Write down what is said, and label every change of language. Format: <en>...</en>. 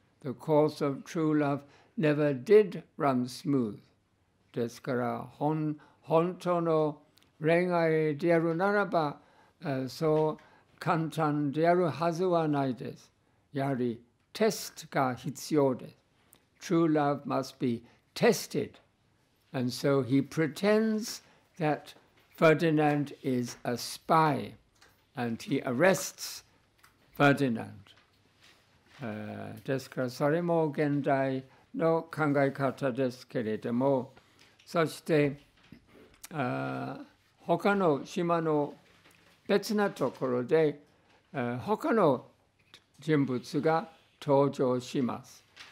<en>The course of true love never did run smooth.</en> <ja>ですから本当の恋愛であるならば、そう簡単であるはずはないです。やはりテストが必要です。</ja> <en>True love must be tested. And so he pretends thatFerdinand is a spy, and he arrests Ferdinand.</en> <ja>ですからそれも現代の考え方ですけれども、そして、他の島の別なところで、他の人物が登場します。</ja>